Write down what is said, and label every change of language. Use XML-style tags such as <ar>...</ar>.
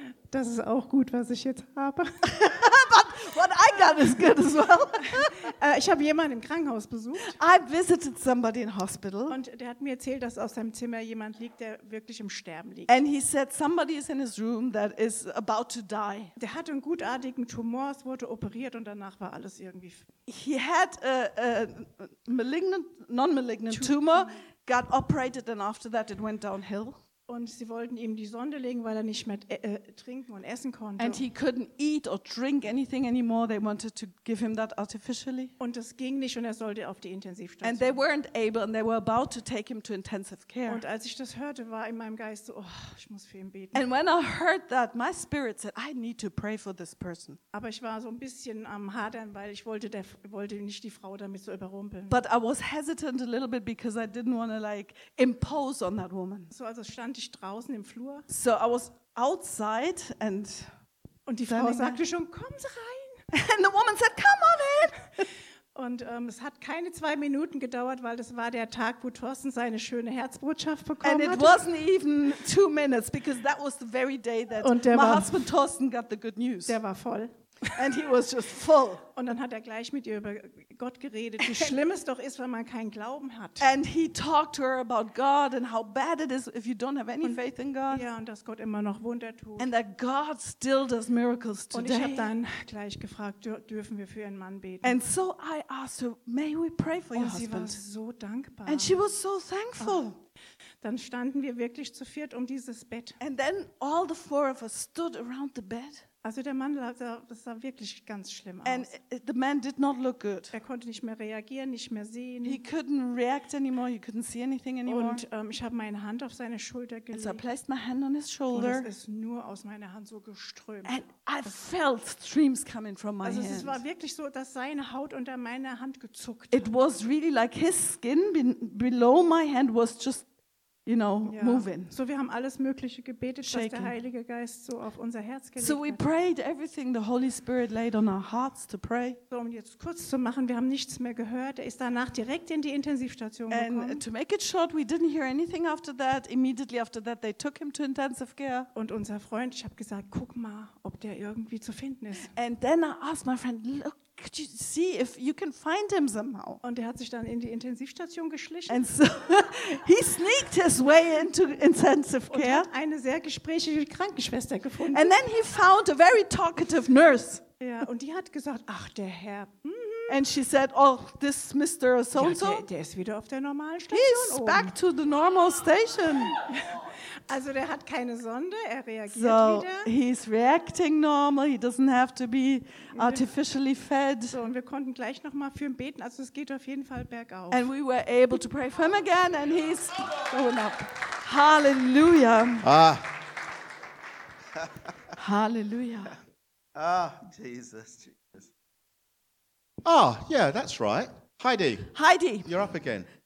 <de>Das ist auch gut, was ich jetzt habe.</de> <en>But what I got is good as well.</en> <de>Ich habe jemanden im Krankenhaus besucht.</de> <en>I visited somebody in hospital.</en> <de>Und der hat mir erzählt, dass aus seinem Zimmer jemand liegt, der wirklich im Sterben liegt.</de> <en>And he said somebody is in his room that is about to die.</en> <de>Der hatte einen gutartigen Tumor, es wurde operiert und danach war alles irgendwie.</de> <en>He had a malignant, non-malignant tumor, got operated and after that it went downhill.</en> <de>Und sie wollten ihm die Sonde legen, weil er nicht mehr trinken und essen konnte.</de> <en>And he couldn't eat or drink anything anymore. They wanted to give him that artificially.</en> <de>Und das ging nicht und er sollte auf die Intensivstation.</de> <en>And they weren't able and they were about to take him to intensive care.</en> <de>Und als ich das hörte, war in meinem Geist so, oh, ich muss für ihn beten.</de> <en>And when I heard that, my spirit said, I need to pray for this person.</en> <de>Aber ich war so ein bisschen am Hadern, weil ich wollte nicht die Frau damit so überrumpeln.</de> <en>But I was hesitant a little bit because I didn't want to like impose on that woman.</en> <de>So also stand ich draußen im Flur.</de> <en>So I was outside and</en> <de>und die Frau sagte schon, komm rein.</de> <en>And the woman said, come on in.</en> <de>Und es hat keine 2 Minuten gedauert, weil das war der Tag, wo Thorsten seine schöne Herzbotschaft bekommen</de> <en>hat. And it wasn't even 2 minutes because that was the very day that my husband Thorsten got the good news.</en> <de>Der war voll.</de> <en>And he was just full.</en> <de>Und dann hat er gleich mit ihr über Gott geredet, wie schlimm es doch ist, wenn man keinen Glauben hat.</de> <en>And he talked to her about God and how bad it is if you don't have any faith in God.</en> <de>Ja, und dass Gott immer noch Wunder tut.</de> <en>And that God still does miracles today.</en> <de>Und ich habe dann gleich gefragt, dürfen wir für ihren Mann beten?</de> <en>And so I asked her, may we pray for your husband?</en> <de>sie war so dankbar.</de> <en>And she was so thankful.</en> <de>Dann standen wir wirklich zu viert um dieses Bett.</de> <en>And then all the 4 of us stood around the bed.</en> <de>Also der Mann sah wirklich ganz schlimm aus.</de> <en>And the man did not look good.</en> <de>Er konnte nicht mehr reagieren, nicht mehr sehen.</de> <en>He couldn't react anymore. He couldn't see anything anymore.</en> <de>Und ich habe meine Hand auf seine Schulter gelegt.</de> <en>And so I placed my hand on his shoulder.</en> <de>Und es ist nur aus meiner Hand so geströmt.</de> <en>And I felt streams coming from my</en> <de>also</de> <en>hand.</en> <de>Also es war wirklich so, dass seine Haut unter meiner Hand gezuckt.</de> <en>It was really like his skin below my hand was just you know, yeah. moving.</en> <de>So wir haben alles Mögliche gebetet,</de> <en>Shaking.</en> <de>Was der Heilige Geist so auf unser Herz gelegt hat.</de> <en>So we prayed everything the Holy Spirit laid on our hearts to pray.</en> <de>So um jetzt kurz zu machen, wir haben nichts mehr gehört. Er ist danach direkt in die Intensivstation</de> <en>And</en> <de>gekommen.</de> <en>And to make it short, we didn't hear anything after that. Immediately after that, they took him to intensive care.</en> <de>Und unser Freund, ich habe gesagt, guck mal, ob der irgendwie zu finden ist.</de> <en>And then I asked my friend, look. Could you see if you can find him somehow?</en> <de>Und er hat sich dann in die Intensivstation geschlichen.</de> <en>And so he sneaked his way into intensive care.</en> <de>Und hat eine sehr gesprächige Krankenschwester gefunden.</de> <en>And then he found a very talkative nurse.</en> <de>Ja, und die hat gesagt, ach der Herr.</de> <en>And she said, oh, this Mr. So-and-so.</en> <de>Ja, der ist wieder auf der normalen Station.</de> <en>He's</en> <de>oben.</de> <en>Back to the normal station.</en> <de>Also der hat keine Sonde, er reagiert</de> <en>so</en> <de>wieder.</de> <en>So, he's reacting normal, he doesn't have to be artificially fed.</en> <de>So, und wir konnten gleich nochmal für ihn beten, also es geht auf jeden Fall bergauf.</de> <en>And we were able to pray for him again, and he's going up. Hallelujah. Ah. Hallelujah. Ah, Jesus, Jesus. Ah, yeah, that's right. Heidi. Heidi. You're up again.</en>